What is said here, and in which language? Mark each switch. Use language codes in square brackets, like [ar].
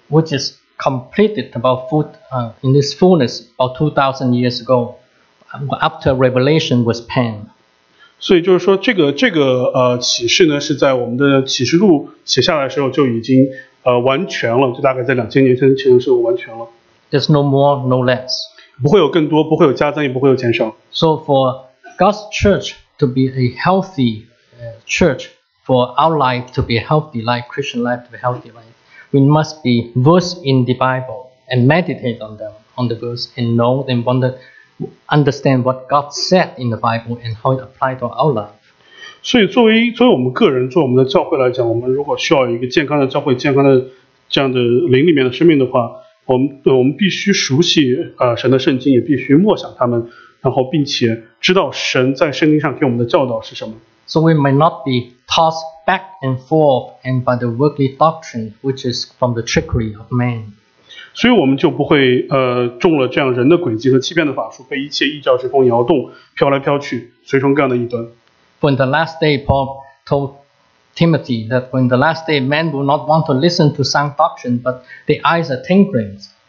[en] Which is completed about in this fullness about 2,000 years ago. After Revelation was penned. [zh] 所以就是说这个启示呢，是在我们的启示录写下来的时候就已经完全了，就大概在2000年前的时候完全了。 [en] There's no more, no less. [zh] 不会有更多，不会有加增，也不会有减少。 [en] So for God's church to be a healthy church for our life to be a healthy life, Christian life to be a healthy life, we must be versed in the Bible and meditate on them, on the verse, and know and wonder, understand what God said in the Bible and how it applied to our life. [zh] 所以作为我们个人，作为我们的教会来讲，我们如果需要一个健康的教会、健康的这样的灵里面的生命的话，我们必须熟悉神的圣经，也必须默想他们，然后并且知道神在圣经上给我们的教导是什么。So [en] we may not be tossed back and forth and by the worldly doctrine which is from the trickery of man. [zh] 所以我们就不会中了这样人的诡计和欺骗的法术，被一切异教之风摇动，飘来飘去，随从各样的异端。 [en] For in the last day, Paul told Timothy that when the last day, men will not want to listen to sound doctrine, but their eyes are tingling.